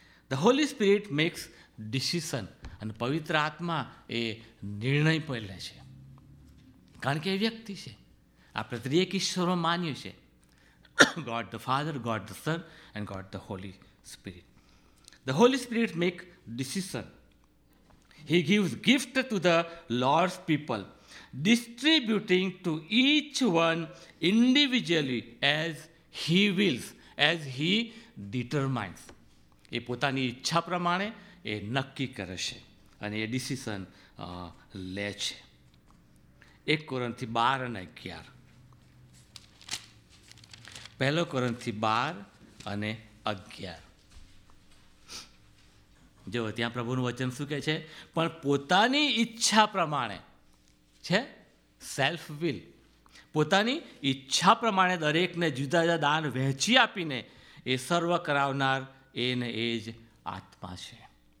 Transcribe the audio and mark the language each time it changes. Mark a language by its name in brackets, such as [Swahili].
[English] the holy spirit makes decision, [Gujarati] અને પવિત્ર આત્મા એ નિર્ણય પણ લે છે, કારણ કે એ વ્યક્તિ છે. આપણે ત્રિએક ઈશ્વરો માન્યું છે, [English] God the Father, God the Son and God the Holy Spirit. The Holy Spirit make decision, He gives gift to the Lord's people, distributing to each one individually as He wills, as He determines. [Gujarati] એ પોતાની ઈચ્છા પ્રમાણે એ નક્કી કરે છે અને એ decision લે છે. 1 કોરિન્થી 12:11. પહેલો કોરિન્થી 12:11 જો ત્યાં પ્રભુનું વચન શું કહે છે, પણ પોતાની ઈચ્છા પ્રમાણે છે, સેલ્ફ વિલ, પોતાની ઈચ્છા પ્રમાણે દરેકને જુદા જુદા દાન વહેંચી આપીને એ સર્વ કરાવનાર એ ને એ જ આત્મા છે.